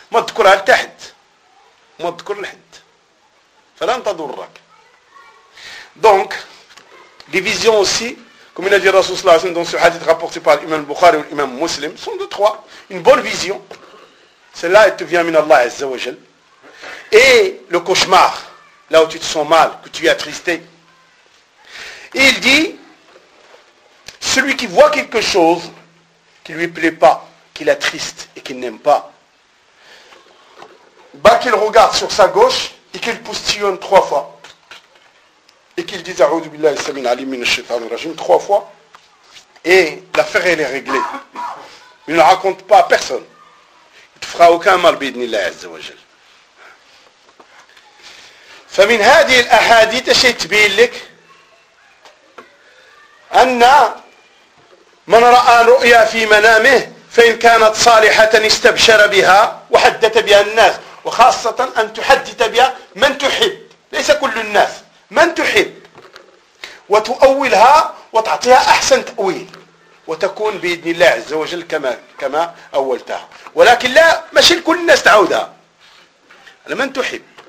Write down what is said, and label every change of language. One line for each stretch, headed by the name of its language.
Arabic: ما تذكرها لتحت، ما تذكر لحد، فلن تضرك.
French: دونك لي فيزيون اوسي comme il a dit Rasul Sallallahu Alaihi Wasallam dans ce hadith rapporté par l'imam Bukhari ou l'imam Muslim, sont de trois. Une bonne vision, celle-là elle te vient min Allah Azza wa Jal. Et le cauchemar, là où tu te sens mal, que tu es attristé. Et il dit, celui qui voit quelque chose qui lui plaît pas, qui l'attriste et qu'il n'aime pas, bah qu'il regarde sur sa gauche et qu'il postillonne trois fois. Et qu'il dise A'oudou billahi samin ali min ash-shaytan ar-rajim trois fois. Et l'affaire elle est réglée. Il ne raconte pas à personne. Il ne te fera aucun mal bi'idhnillah azza wa jal.
Arabic: فمن هذه الأحاديث شيء تبين لك أن من رأى رؤيا في منامه فإن كانت صالحة استبشر بها وحدث بها الناس وخاصة أن تحدث بها من تحب ليس كل الناس من تحب وتؤولها وتعطيها أحسن تأويل وتكون بإذن الله عز وجل كما أولتها ولكن لا ماشي لكل الناس تعودها لمن تحب